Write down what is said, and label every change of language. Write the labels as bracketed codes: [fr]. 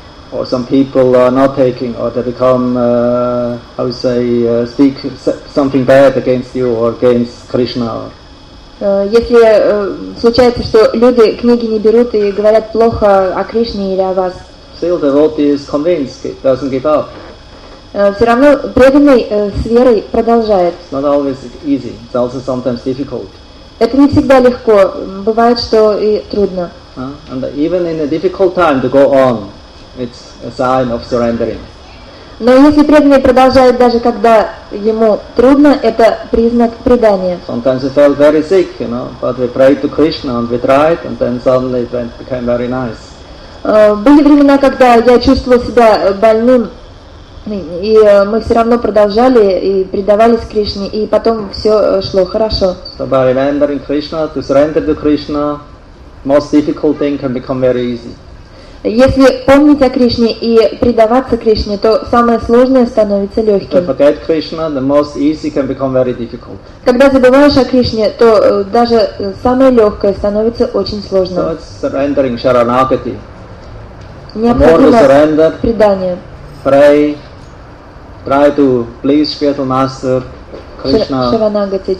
[en] Or some people are not taking, or they become, speak something bad against you or against Krishna. [ru] Если случается, что люди книги не берут и говорят плохо о Кришне или о вас. [en] Still the devotee is convinced, doesn't give up. [ru] Все равно преданный с верой продолжает. [en] It's not always easy. It's also sometimes difficult. [ru] Это не всегда легко. Бывает, что и трудно. [en] And even in a difficult time to go on, it's a sign of surrendering. [ru] Но если преданный продолжает даже когда ему трудно, это признак предания. [en] Sometimes we felt very sick, you know, but we prayed to Krishna and we tried, and then suddenly it became very nice. [ru] Были времена, когда я чувствовал себя больным. И мы все равно продолжали и предавались Кришне, и потом все шло хорошо. [en] So by remembering Krishna, to surrender to Krishna, most difficult thing can become very easy. [ru] Если помнить о Кришне и предаваться Кришне, то самое сложное становится легким. [en] If you forget Krishna, the most easy can become very difficult. [ru] Когда забываешь о Кришне, то даже самое легкое становится очень сложным. [en] So it's surrendering sharanagati. [ru] Необходимо предание. [en] Pray, try to please spiritual master Krishna. [ru] Шаранагати.